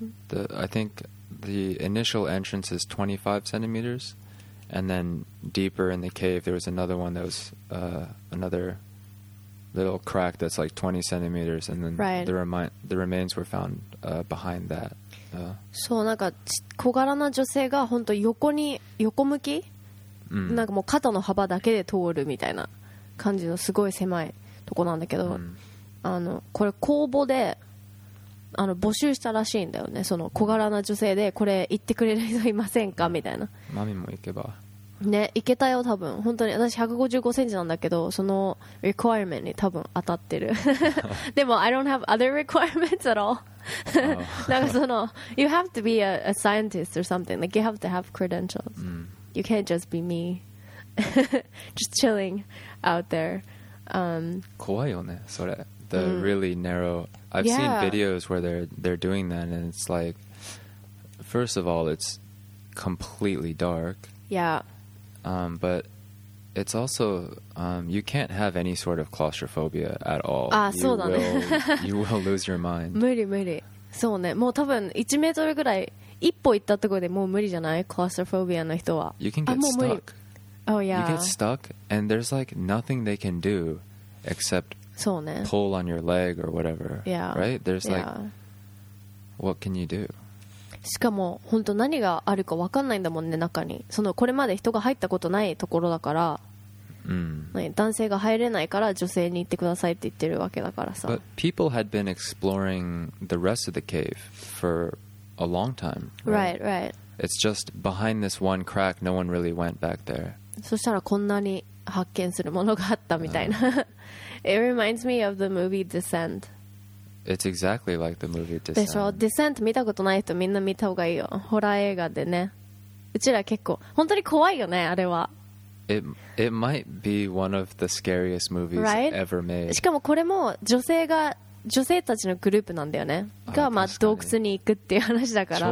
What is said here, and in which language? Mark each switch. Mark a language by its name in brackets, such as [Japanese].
[English] I thinkThe initial entrance is 25 centimeters, and then deeper in the cave, there was another one that was another little crack that's like 20 centimeters, and then the remains were found behind that. [Japanese] そう、なんか小柄な女性が本当横に横向き、なんかもう肩の幅だけで通るみたいな感じのすごい狭いとこなんだけど、あのこれ公募で。あの募集したらしいんだよね。その小柄な女性でこれ行ってくれる人いませんかみたいな。マミも行けばね、行けたよ多分。本当に私155センチなんだけど、そのリクワイアメントに多分当たってる。でも [English] I don't have other requirements at all. [Japanese] なんかその [English] You have to be a scientist or something. Like you have to have credentials. You can't just be me. Just chilling out there. [Japanese] 怖いよねそれ。 [English] The really narrow. I've seen videos where they're doing that, and it's like, first of all, it's completely dark. Yeah. But it's also you can't have any sort of claustrophobia at all. [Japanese] Ah, so だね. [English] You will lose your mind. [Japanese] 無理無理。そうね。もう多分1メートルぐらい一歩行ったところでもう無理じゃない? Claustrophobia の人は。 [English] You can get stuck. Oh yeah. You get stuck, and there's like nothing they can do except [Japanese] そうね。 [English] pull on your leg or whatever. Yeah. Right? There's like, yeah. what can you do? [Japanese] しかも本当何があるか分かんないんだもんね中に。そのこれまで人が入ったことないところだから。 Mm. 男性が入れないから女性に行ってくださいって言ってるわけだからさ。 [English] But people had been exploring the rest of the cave for a long time. Right, right. It's just behind this one crack, no one really went back there. [Japanese] そしたらこんなに発見するものがあったみたいな。 [English] It reminds me of the movie Descent. It's exactly like the movie Descent. [Japanese] でしょ、Descent 見たことない人みんな見た方がいいよ。ホラー映画でね。うちら結構本当に怖いよねあれは。 [English] It might be one of the scariest movies right? ever made. [Japanese] しかもこれも女性たちのグループなんだよね。がまあ洞窟に行くっていう話だから。